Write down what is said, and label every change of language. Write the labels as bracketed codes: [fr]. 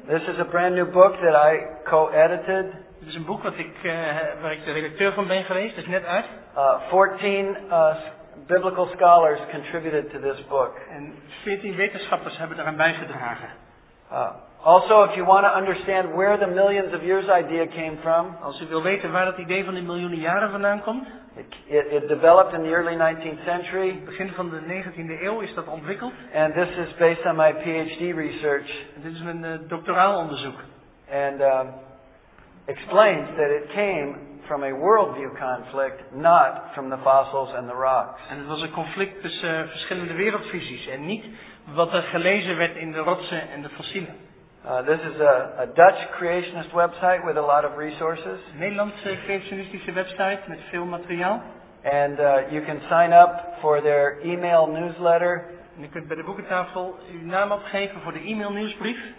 [en] This is a brand new book that I co-edited. [nl] Dit is een boek waar ik de redacteur van ben geweest. Dat is net uit. [en] 14 biblical scholars contributed to this book. [nl] En 14 wetenschappers hebben daaraan bijgedragen. [en] Also, if you want to understand where the millions of years idea came from, [nl] als u wil weten waar dat idee van die miljoenen jaren vandaan komt, [en] it developed in the early 19th century. [nl] Begin van de 19e eeuw is dat ontwikkeld. [en] And this is based on my PhD research. [nl] En dit is mijn doctoraal onderzoek. [en] And explains that it came from a worldview conflict, not from the fossils and the rocks. [nl] En het was een conflict tussen verschillende wereldvisies en niet wat er gelezen werd in de rotsen en de fossielen. [en] This is a Dutch creationist website with a lot of resources. [nl] Nederlandse creationistische website met veel materiaal. [en] And you can sign up for their email newsletter. [nl] En u kunt bij de boekentafel uw naam opgeven voor de e-mail nieuwsbrief.